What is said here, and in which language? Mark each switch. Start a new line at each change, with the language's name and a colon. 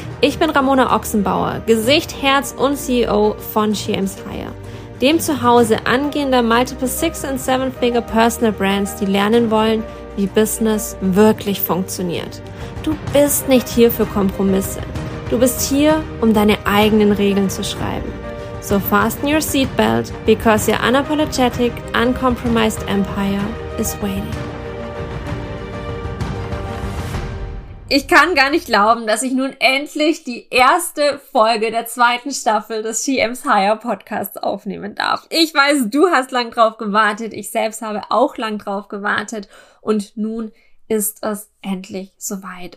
German: Ich bin Ramona Ochsenbauer, Gesicht, Herz und CEO von Shams Higher, dem Zuhause angehender
English: Multiple Six-
German: und
English: Seven-Figure Personal Brands,
German: die lernen wollen, wie Business wirklich funktioniert. Du bist nicht hier für Kompromisse. Du bist hier, um deine eigenen Regeln zu schreiben.
English: So fasten your seatbelt, because your unapologetic, uncompromised empire is waiting.
German: Ich kann gar nicht glauben, dass ich nun endlich die erste Folge der zweiten Staffel des Shams Higher Podcasts aufnehmen darf. Ich weiß, du hast lang drauf gewartet, ich selbst habe auch lang drauf gewartet und nun ist es endlich soweit.